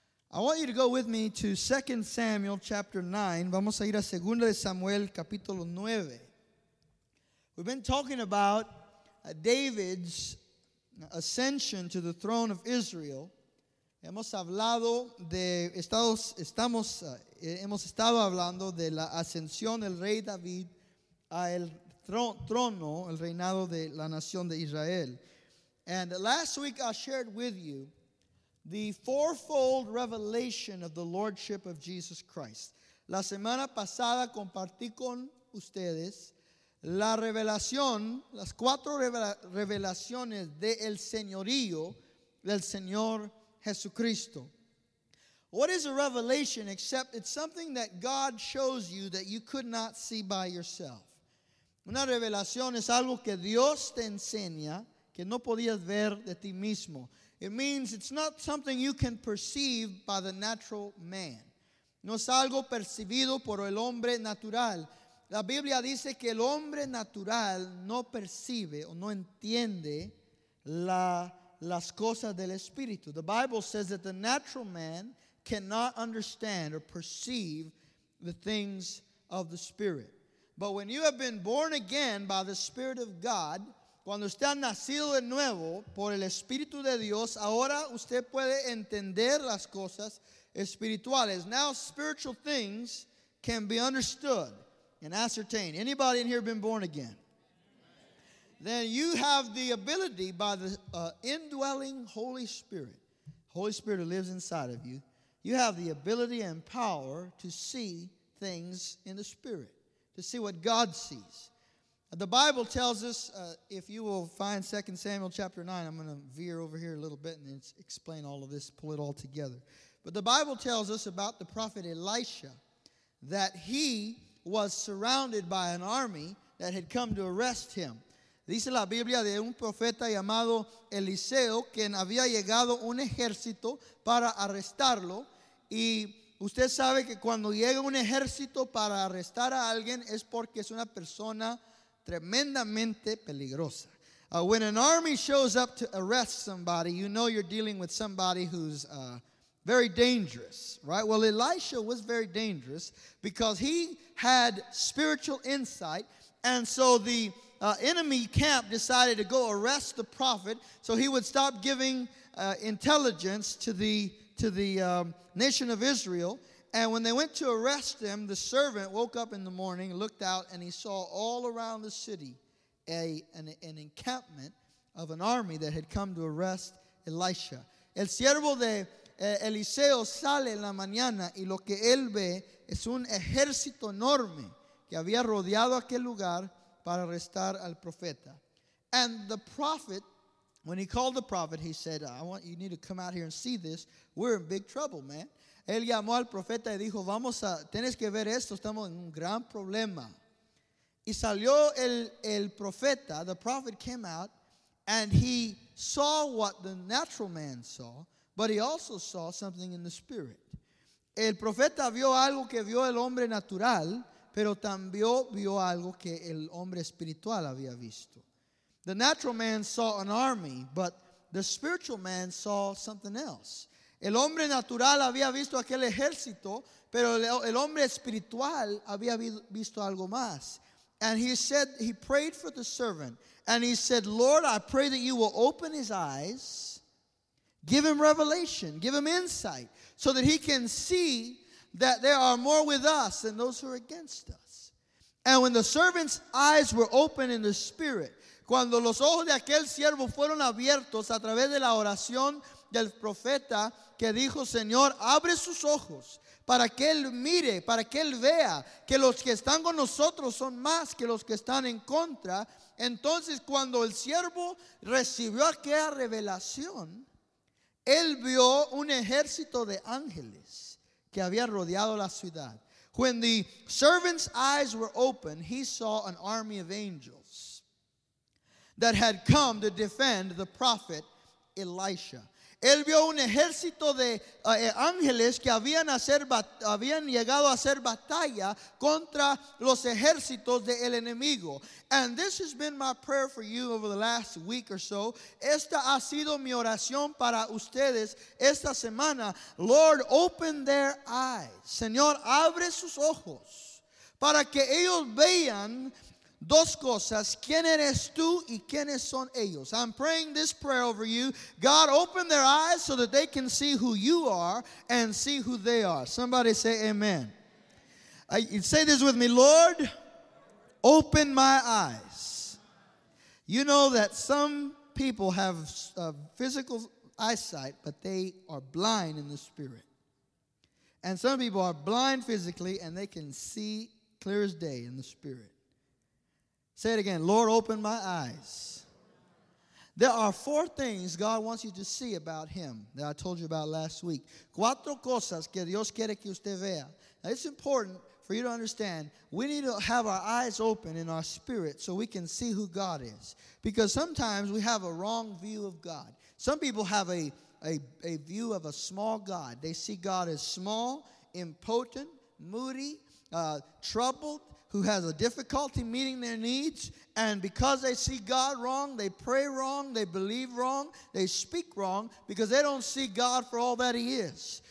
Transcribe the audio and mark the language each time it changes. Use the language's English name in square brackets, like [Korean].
[English] I want you to go with me to 2 Samuel chapter 9. [Spanish] Vamos a ir a 2 Samuel capítulo 9. [English] We've been talking about David's ascension to the throne of Israel. [Spanish] Hemos estado hablando de la ascensión del rey David al trono, el reinado de la nación de Israel. [English] And last week I shared with you the fourfold revelation of the lordship of Jesus Christ. [Spanish] La semana pasada compartí con ustedes la revelación, las cuatro revelaciones del señorío del Señor Jesucristo. [English] What is a revelation except it's something that God shows you that you could not see by yourself? [Spanish] Una revelación es algo que Dios te enseña que no podías ver de ti mismo. [English] It means it's not something you can perceive by the natural man. [Spanish] No es algo percibido por el hombre natural. La Biblia dice que el hombre natural no percibe o no entiende las cosas del Espíritu. [English] The Bible says that the natural man cannot understand or perceive the things of the Spirit. But when you have been born again by the Spirit of God, [Spanish] cuando usted ha nacido de nuevo por el Espíritu de Dios, ahora usted puede entender las cosas espirituales. [English] Now spiritual things can be understood and ascertained. Anybody in here been born again? Then you have the ability by the indwelling Holy Spirit. Holy Spirit who lives inside of you. You have the ability and power to see things in the Spirit, to see what God sees. The Bible tells us, if you will find 2 Samuel chapter 9, I'm going to veer over here a little bit and explain all of this, pull it all together. But the Bible tells us about the prophet Elisha, that he was surrounded by an army that had come to arrest him. [Spanish] Dice la Biblia de un profeta llamado Eliseo, quien había llegado un ejército para arrestarlo. Y usted sabe que cuando llega un ejército para arrestar a alguien es porque es una persona tremendamente peligrosa. [English] When an army shows up to arrest somebody, you know you're dealing with somebody who's very dangerous, right? Well, Elisha was very dangerous because he had spiritual insight, and so the enemy camp decided to go arrest the prophet so he would stop giving intelligence to the nation of Israel. And when they went to arrest him, the servant woke up in the morning, looked out, and he saw all around the city an encampment of an army that had come to arrest Elisha. [Spanish] El siervo de Eliseo sale en la mañana y lo que él ve es un ejército enorme que había rodeado aquel lugar para arrestar al profeta. [English] And the prophet, when he called the prophet, he said, you need to come out here and see this. We're in big trouble, man. [Spanish] Él llamó al profeta y dijo, tienes que ver esto, estamos en un gran problema. Y salió el profeta, [English] the prophet came out, and he saw what the natural man saw, but he also saw something in the spirit. [Spanish] El profeta vio algo que vio el hombre natural, pero también vio algo que el hombre espiritual había visto. [English] The natural man saw an army, but the spiritual man saw something else. [Spanish] El hombre natural había visto aquel ejército, pero el hombre espiritual había visto algo más. [English] And he said, he prayed for the servant. And he said, Lord, I pray that you will open his eyes, give him revelation, give him insight, so that he can see that there are more with us than those who are against us. And when the servant's eyes were opened in the spirit, [Spanish] cuando los ojos de aquel siervo fueron abiertos a través de la oración del profeta que dijo, Señor, abre sus ojos para que él mire, para que él vea que los que están con nosotros son más que los que están en contra. Entonces, cuando el siervo recibió aquella revelación, él vio un ejército de ángeles que había rodeado la ciudad. [English] When the servant's eyes were open, he saw an army of angels that had come to defend the prophet Elisha. [Spanish] Él vio un ejército de ángeles que habían llegado a hacer batalla contra los ejércitos del enemigo. [English] And this has been my prayer for you over the last week or so. [Spanish] Esta ha sido mi oración para ustedes esta semana. [English] Lord, open their eyes. [Spanish] Señor, abre sus ojos para que ellos vean dos cosas, ¿quién eres tú y quiénes son ellos? [English] I'm praying this prayer over you. God, open their eyes so that they can see who you are and see who they are. Somebody say amen. Say this with me, Lord, open my eyes. You know that some people have physical eyesight, but they are blind in the spirit. And some people are blind physically and they can see clear as day in the spirit. Say it again, Lord, open my eyes. There are four things God wants you to see about him that I told you about last week. [Spanish] Cuatro cosas que Dios quiere que usted vea. [English] Now, it's important for you to understand, we need to have our eyes open in our spirit so we can see who God is. Because sometimes we have a wrong view of God. Some people have a view of a small God. They see God as small, impotent, moody, troubled, who has a difficulty meeting their needs, and because they see God wrong, they pray wrong, they believe wrong, they speak wrong, because they don't see God for all that he is.